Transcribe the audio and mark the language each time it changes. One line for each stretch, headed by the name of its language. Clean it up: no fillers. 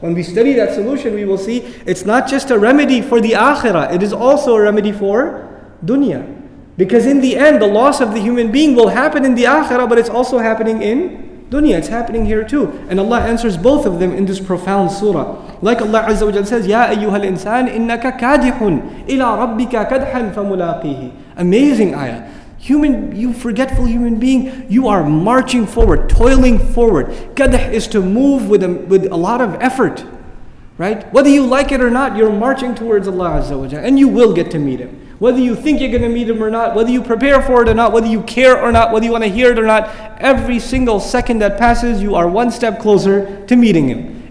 English: When we study that solution, we will see it's not just a remedy for the akhirah, it is also a remedy for dunya. Because in the end, the loss of the human being will happen in the akhirah, but it's also happening in dunya. It's happening here too. And Allah answers both of them in this profound surah. Like Allah Azza wa Jalla says,
Arabic: يَا أَيُّهَا الْإِنسَانِ إِنَّكَ كَادِحٌ إِلَىٰ رَبِّكَ كَدْحًا فَمُلَاقِيهِ.
English: Amazing ayah. Human, you forgetful human being, you are marching forward, toiling forward. Kadh is to move with a lot of effort, right? Whether you like it or not, you're marching towards Allah Azza wa Jalla, and you will get to meet Him. Whether you think you're going to meet Him or not, whether you prepare for it or not, whether you care or not, whether you want to hear it or not, every single second that passes, you are one step closer to meeting Him.